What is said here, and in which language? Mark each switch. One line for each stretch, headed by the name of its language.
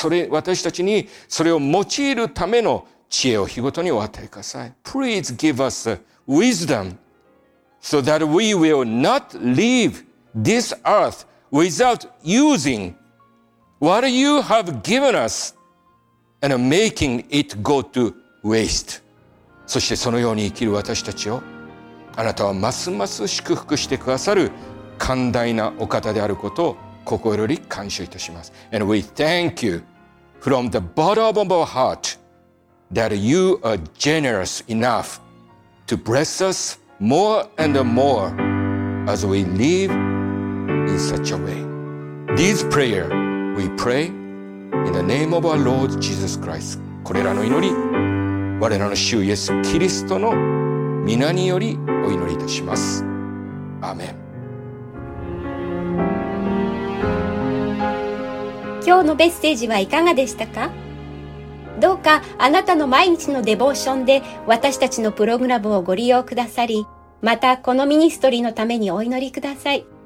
Japanese: 私たちにそれを用いるための知恵を日ごとにお与えください。
English: Please give us wisdom so that we will not leave this earth without using what you have given us and making it go to waste.
Japanese: そしてそのように生きる私たちをあなたはますます祝福してくださる寛大なお方であることを心より感謝いたします。
English: And we thank you from the bottom of our heart that you are generous enoughto bless us more and more as we live in such a way. This prayer we pray in the name of our Lord Jesus Christ.
Japanese: これらの祈り、我らの主イエス・キリストの皆によりお祈りいたします。アーメン。今日のメッセージはいかがでしたか？どうかあなたの毎日のデボーションで私たちのプログラムをご利用くださり、またこのミニストリーのためにお祈りください。